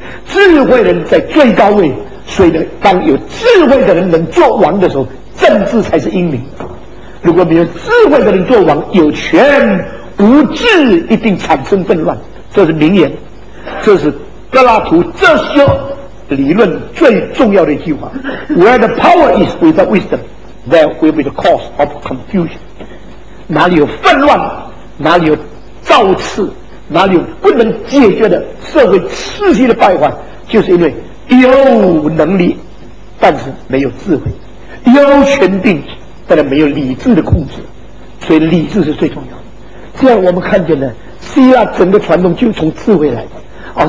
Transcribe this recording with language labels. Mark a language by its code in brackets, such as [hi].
[zh] 智慧人在最高位，所以呢，当有智慧的人能做王的时候，政治才是英明。如果没有智慧的人做王，有权无智一定产生纷乱，这是名言。这是柏拉图哲学理论最重要的一句话。 [en] Where the power is without wisdom, there will be the cause of confusion. [zh] 哪里有纷乱，哪里有造次，哪里有不能解决的社会秩序的败坏，就是因为有能力但是没有智慧，有权定，但是没有理智的控制。所以理智是最重要的。这样我们看见呢，希腊整个传统就从智慧来的。